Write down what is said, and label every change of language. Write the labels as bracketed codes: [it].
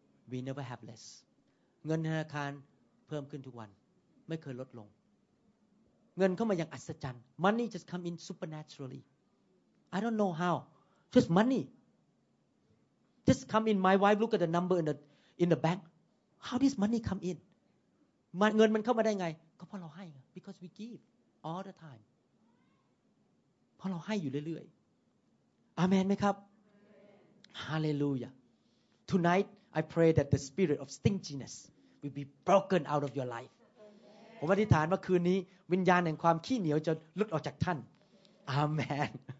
[en] we never have less [th] เงินธนาคารเพิ่มขึ้นทุกวันไม่เคยลดลงเงินเข้ามาอย่างอัศจรรย์ [en] money just come in supernaturally I don't know how just money just come in my wife look at the number in the bank how this money come in [th] มันเงินมันเข้ามาได้ไงก็เพราะเราให้ [en] because we give all the time [th] เพราะเราให้อยู่เรื่อยๆ amen มั้ยครับ [en] Hallelujah. Tonight, I pray that the spirit of stinginess will be broken out of your life. [th] ผมอธิษฐานว่าคืนนี้วิญญาณแห่งความขี้เหนียวจะหลุดออกจากท่าน Amen.